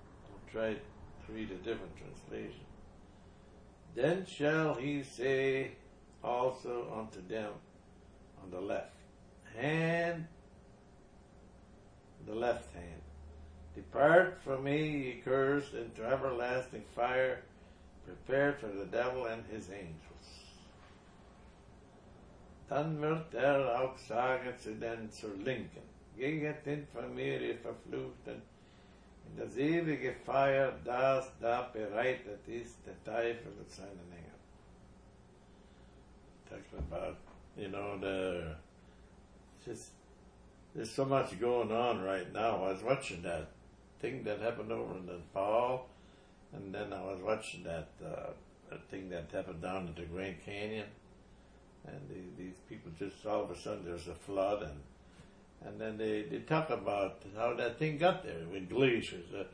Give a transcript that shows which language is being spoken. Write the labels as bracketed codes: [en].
[en] I'll try to read a different translation. "Then shall he say also unto them on the left hand, the left hand, depart from me, ye cursed, into everlasting fire prepared for the devil and his angels. [de] Dann wird auch sagen zu den zur Linken, geht hin von mir, ihr Verfluchten, in das ewige Feuer, das da bereitet ist, der Teufel und seine Engel." [en] Talks about, you know, the just, there's so much going on right now. I was watching that thing that happened over in the fall, and then I was watching that thing that happened down at the Grand Canyon, and these people just all of a sudden there's a flood, and then they talk about how that thing got there with glaciers.